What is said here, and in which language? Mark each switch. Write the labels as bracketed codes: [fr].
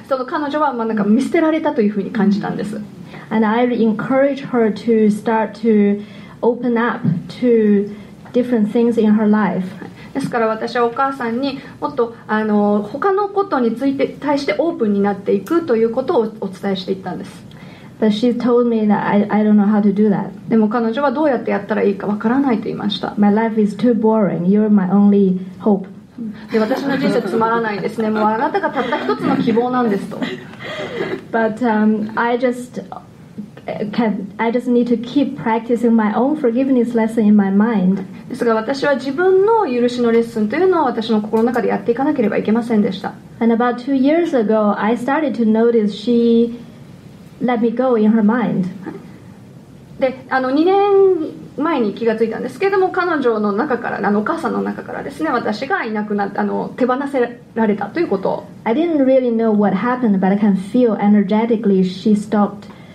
[ja] その彼女はまあなんか見捨てられたというふうに感じたんです。 [en] And I encourage her to start to open up to different things in her life. [ja] ですから私はお母さんにもっとあの他のことについて対してオープンになっていくということをお伝えしていったんです。 [en] But she told me that I don't know how to do that. [ja] でも彼女はどうやってやったらいいかわからないと言いました。 [en] My life is too boring. You're my only hope. [ja] で私の人生つまらないですね。もうあなたがたった一つの希望なんですと。 [en] But I just need to keep practicing my own forgiveness lesson in my mind. [ja] ですが私は自分の許しのレッスンというのを私の心の中でやっていかなければいけませんでした。 [en] And about 2 years ago, I started to notice she let me go in her mind. [ja] で、あの2年前に気がついたんですけれども、彼女の中から、あのお母さんの中からですね、私がいなくなって、あの手放せられたということ。 [en] I didn't really know what happened, but I can feel energetically she stopped.